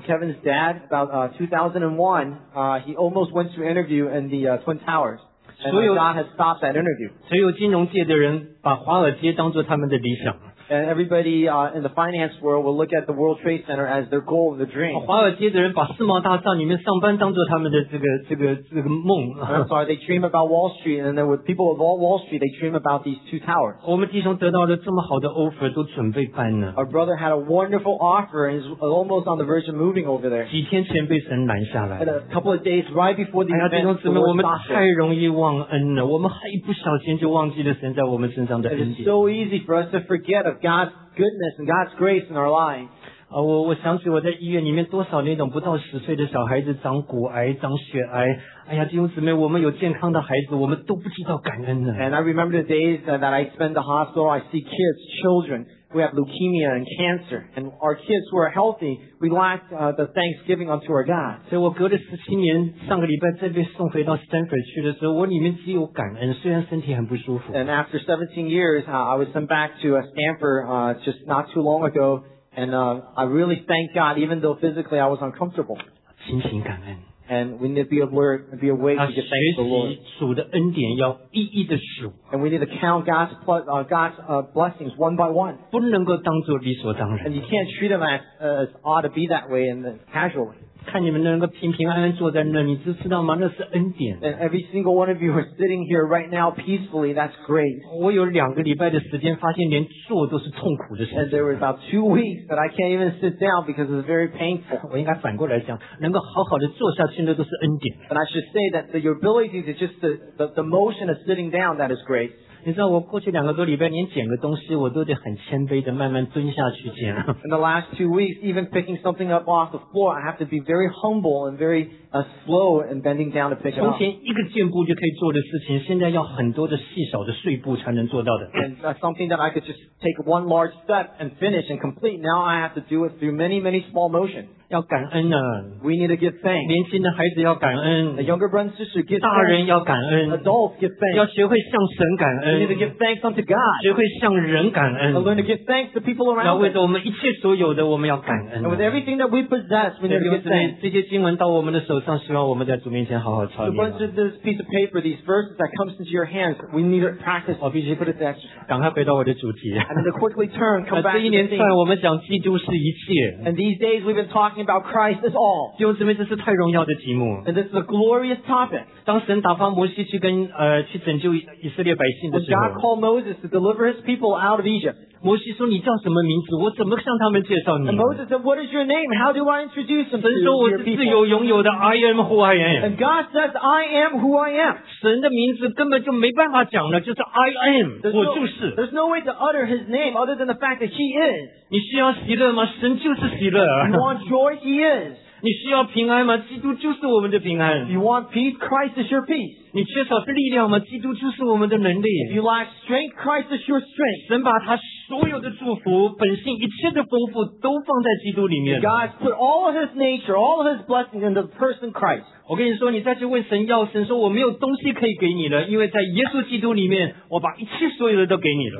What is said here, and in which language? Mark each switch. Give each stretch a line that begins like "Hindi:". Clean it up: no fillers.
English: Kevin's dad, about 2001, he almost went to interview in the Twin Towers. And God has stopped that interview.
Chinese: 所有金融界的人把华尔街当作他们的理想。
English: And everybody in the finance world will look at the World Trade Center as their goal and their dream.
Chinese: 华尔街的人把世贸大厦里面上班当做他们的这个梦。
English: Sorry, they dream about Wall Street, and then with people of all Wall Street, they dream about these two towers.
Chinese: 我们弟兄得到了这么好的 offer, 都准备搬了。
English: Our brother had a wonderful offer and is almost on the verge of moving over there.
Chinese: 几天前被神拦下来。
English: And a couple of days right before the event,
Chinese: 弟兄姊妹，我们太容易忘恩了，我们还一不小心就忘记了神在我们身上的恩典。
English: It is so easy for us to forget. Of God's goodness and God's grace in our lives.
Chinese: 我想起我在医院里面多少那种不到十岁的小孩子长骨癌、长血癌。哎呀，弟兄姊妹，我们有健康的孩子，我们都不知道感恩呢。
English: And I remember the days that I spent the hospital. I see kids, children who have leukemia and cancer, and our kids who are healthy. We lack the thanksgiving unto our God.
Chinese: 所以我隔了17年，上个礼拜再被送回到 Stanford 去的时候，我里面只有感恩，虽然身体很不舒服。
English: And after 17 years, I was sent back to Stanford just not too long ago, and I really thank God, even though physically I was uncomfortable.
Chinese: 心情感恩。
English: And we need to be aware, be awake to give thanks to the Lord.
Chinese: 主的恩典要一一的数。
English: And we need to count God's blessings one by one.
Chinese: 不能够当作理所当然。
English: And you can't treat them as ought to be that way and casually.
Chinese: 看你们能够平平安安坐在那，你知道吗？那是恩典。
English: And every single one of you are sitting here right now peacefully. That's great.
Chinese: 我有两个礼拜的时间，发现连坐都是痛苦的事。
English: And there were about 2 weeks that I can't even sit down because it's very painful.
Chinese: 我应该反过来讲，能够好好的坐下。
English: And I should say that your ability to just the motion of sitting down, that is great.
Chinese: 你知道我过去两个多礼拜连捡个东西我都得很谦卑的慢慢蹲下去捡。
English: In the last 2 weeks, even picking something up off the floor, I have to be very humble and very slow in bending down to pick it up.
Chinese: 从前一个箭步就可以做的事情，现在要很多的细小的碎步才能做到的。
English: And something that I could just take one large step and finish and complete, now I have to do it through many, many small motions.
Chinese: 要感恩啊
English: We need to give thanks.
Chinese: 年轻的孩子要感恩
English: The younger brothers and sisters give thanks.
Chinese: 大人要感恩
English: Adults give thanks.
Chinese: 要学会向神感恩
English: We need to give thanks unto God.
Chinese: 学会向人感恩
English: And learn to give thanks to people around us.
Chinese: 要为着我们一切所有的我们要感恩
English: And with everything that we possess, we need to give thanks.
Chinese: 这些经文到我们的手上希望我们在主面前好好操练
English: The ones with this piece of paper, these verses that comes into your hands, we need to practice.
Chinese: 我必须
English: put it there.
Chinese: 赶快回到我的主题
English: And quickly turn, come back to the theme.
Chinese: 这一年算我们讲基督是一切
English: And these days we've been talking about Christ is all.
Chinese: 弟兄姊妹，这是太荣耀的题目。
English: And this is a glorious topic.
Chinese: 当神打发摩西去跟去拯救以色列百姓的时候
English: ，God called Moses to deliver His people out of Egypt.
Chinese: 摩西说：“你叫什么名字？我怎么向他们介绍你
English: ？”And Moses said, "What is your name? How do I introduce them to your people?"
Chinese: 神说：“我是自由拥有的 ，
English: I am who I am." And God says, "I am who I am."
Chinese: 神的名字根本就没办法讲了，就是
English: I am，
Chinese: 我就是。
English: There's no way to utter His name other than the fact that He is.
Chinese: 你需要喜乐吗？神就是喜乐。
English: You want joy? He is.
Chinese: 你需要平安吗？基督就是我们的平安。
English: You want peace? Christ is your peace.
Chinese: 你缺少力量吗？基督就是我们的能力。
English: If you lack strength, Christ is your strength.
Chinese: 神把他所有的祝福、本性、一切的丰富都放在基督里面。
English: God put all of His nature, all of His blessings in the person Christ.
Chinese: 我跟你说，你再去问神要，神说我没有东西可以给你了，因为在耶稣基督里面，我把一切所有的都给你了。